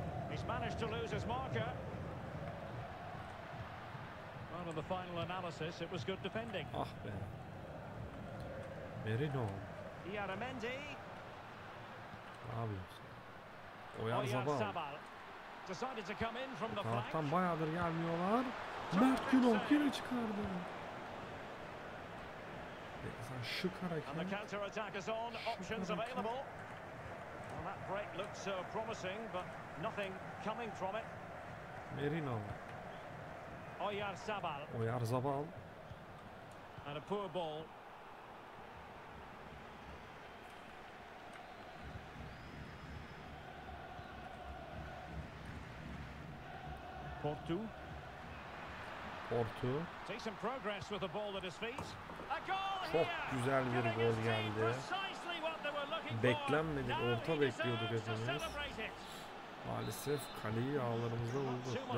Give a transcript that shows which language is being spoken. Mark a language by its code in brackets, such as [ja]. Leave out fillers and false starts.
[en] He's managed to lose his marker. Well, in the final analysis, it was good defending. [tr] Ah be. Merino. Yaramendi. Abi. Oyan Zabal. [en] Decided to come in from the flank. [tr] Taraftan bayağıdır gelmiyorlar. Mert Günok yine çıkardı. Şık hareket. [en] And the counter attack is on. Options available. Well, that break looked so promising, but nothing coming from it. Merino. Oyarzabal. Oyarzabal. And a poor ball. Porto. Porto. Takes some progress with the ball at his feet. [tr] Çok güzel bir gol geldi. Beklenmedik. Orta bekliyorduk hepimiz. Maalesef kaleyi ağlarımıza vurdu.